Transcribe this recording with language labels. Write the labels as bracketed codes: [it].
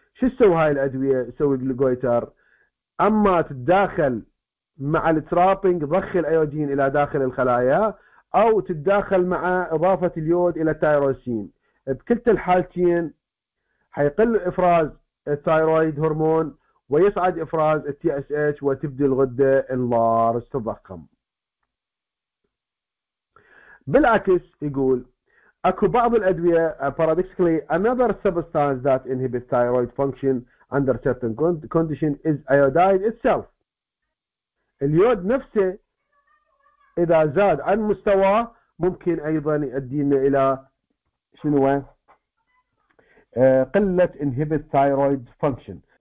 [ar] شو تسوي هاي الادويه؟ تسوي الجويتر، اما تتداخل مع الترابينج ضخ الايودين الى داخل الخلايا، او تتداخل مع اضافه اليود الى التايروسين. بكلتا الحالتين حيقل افراز الثايرويد هرمون ويصعد افراز التي اس اتش وتبدي الغده اللارج تتضخم. بالعكس يقول اكو بعض الادويه [en] paradoxically another substance that inhibits thyroid function under certain condition is iodide itself. [ar] اليود نفسه اذا زاد عن مستواه ممكن ايضا يؤدينا الى شنو؟ قله انهبيت ثايرويد فانكشن.